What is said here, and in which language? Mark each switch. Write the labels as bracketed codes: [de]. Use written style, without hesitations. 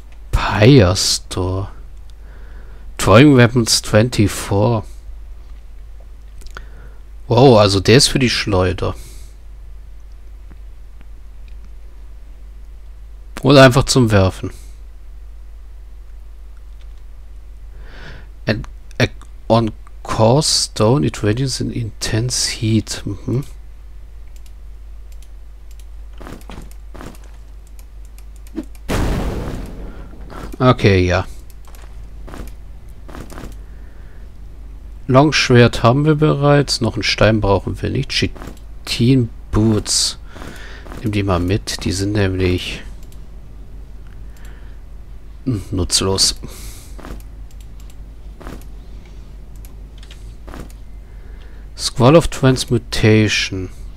[en] Pyre Store. Throwing Weapons 24. [de] Wow, also der ist für die Schleuder. Oder einfach zum Werfen. [en] On coarse stone, it radiates in intense heat. Mhm. [de] Okay, ja. Longschwert haben wir bereits. Noch einen Stein brauchen wir nicht. Chitin Boots. Nimm die mal mit. Die sind nämlich nutzlos. [en] Squall of Transmutation.